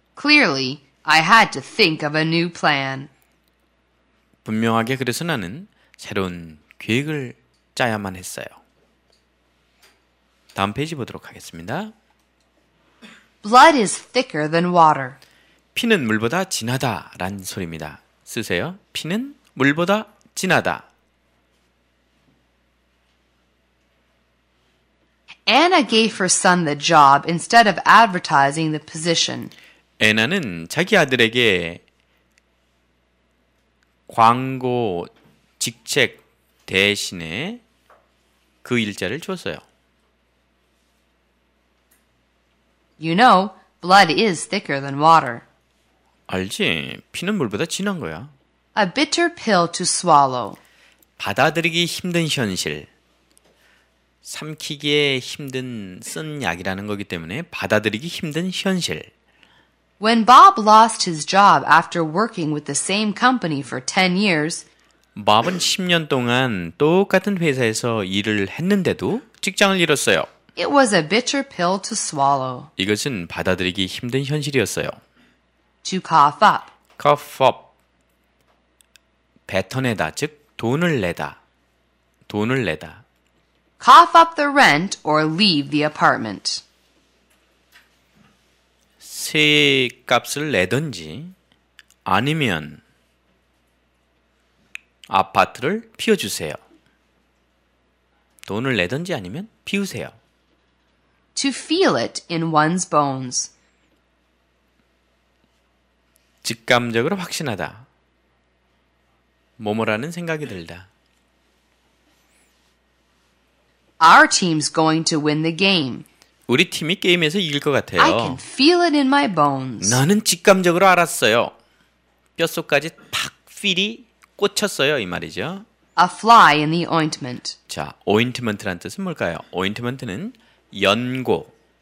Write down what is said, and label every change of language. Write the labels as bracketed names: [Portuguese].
[English] Clearly, I had to think of a new plan. [Korean] 분명하게 그래서 나는 새로운 계획을 짜야만 했어요. 다음 페이지 보도록 하겠습니다. [English] Blood is thicker than water. [Korean] 피는 물보다 진하다란 소리입니다. 쓰세요. 피는 물보다 진하다. [English] Anna gave her son the job instead of advertising the position. [Korean] Anna는 자기 아들에게 광고 직책 대신에 그 일자를 줬어요. [English] You know, blood is thicker than water. [Korean] 알지? 피는 물보다 진한 거야. [English] A bitter pill to swallow. [Korean] 받아들이기 힘든 현실. 삼키기에 힘든 쓴 약이라는 거기 때문에 받아들이기 힘든 현실. [English] When Bob lost his job after working with the same company for 10 years, [Korean] Bob은 10년 동안 똑같은 회사에서 일을 했는데도 직장을 잃었어요. [English] It was a bitter pill to swallow. [Korean] 이것은 받아들이기 힘든 현실이었어요. [English] To cough up. Cough up. [Korean] 뱉어내다, 즉 돈을 내다. 돈을 내다. [English] Cough up the rent or leave the apartment. [Korean] 세액값을 내든지 아니면 아파트를 비워주세요. 돈을 내든지 아니면 비우세요. [English] To feel it in one's bones. [Korean] 직감적으로 확신하다. 뭐뭐라는 생각이 들다. [English] Our team's going to win the game. [Korean] 우리 팀이 게임에서 이길 것 같아요. [English] I can feel it in my bones. [Korean] 나는 직감적으로 알았어요. 뼛속까지 팍 필이 꽂혔어요. 이 말이죠. [English] A fly in the ointment. [Korean] 자, ointment란 뜻은 뭘까요? Ointment는 연고.